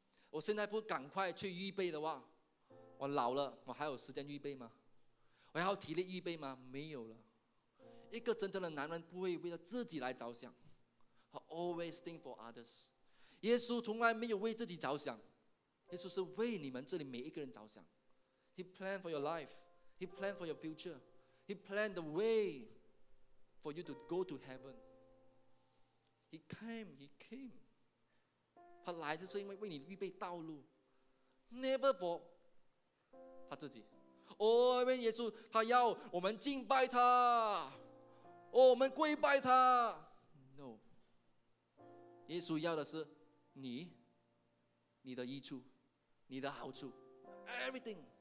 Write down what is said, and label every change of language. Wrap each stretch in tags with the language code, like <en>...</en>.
<zh>我现在不赶快去预备的话，我老了我还有时间预备吗？我还有体力预备吗？没有了。一个真正的男人不会为了自己来着想，他</zh> <en>always think for others。</en> <zh>耶稣从来没有为自己着想，耶稣是为你们这里每一个人着想。</zh> <en>He planned for your life, He planned for your future, He planned the way for you to go to heaven. He came.</en> <zh>他来的是因为为你预备道路，</zh> <en>Never for</en> <zh>他自己。哦，因为耶稣他要我们敬拜他，哦，我们跪拜他。 No， 耶稣要的是你，你的益处，你的好处 ，everything。</zh>